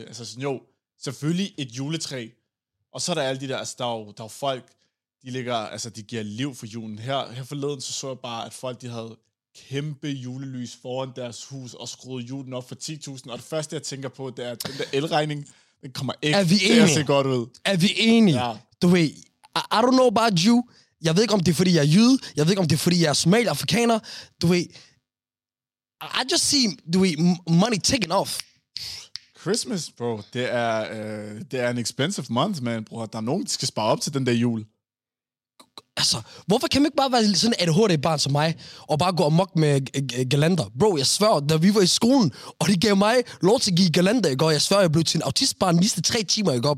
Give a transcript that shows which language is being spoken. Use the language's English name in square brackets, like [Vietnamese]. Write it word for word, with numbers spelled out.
[Danish] Altså, sådan, jo, selvfølgelig et juletræ. Og så er der alle de der, altså, der er jo, der er folk, de ligger, altså, de giver liv for julen. Her, her forleden, så så jeg bare, at folk, de havde kæmpe julelys foran deres hus, og skruede julen op for ti tusind. Og det første, jeg tænker på, det er, at den der elregning, den kommer ikke til at se godt ud. Er vi enige? Ja. Du ved, [English] I don't know about you. [Danish] Jeg ved ikke, om det er, fordi jeg er jyde. Jeg ved ikke, om det er, fordi jeg er somali-afrikaner. Du ved... [English] I just see, [Danish] du ved, [English] money taken off. Christmas, bro. [Danish] Det er, øh, det er en [English] expensive month, man, [Danish] bror. Der er nogen, der skal spare op til den der jul. Altså, hvorfor kan man ikke bare være sådan et A D H D-barn som mig, og bare gå amok med g- g- galander? Bro, jeg svær, da vi var i skolen, og de gav mig lov til at give galander, ikke? Og jeg svær, jeg blev til en autistbarn de næste tre timer, ikke?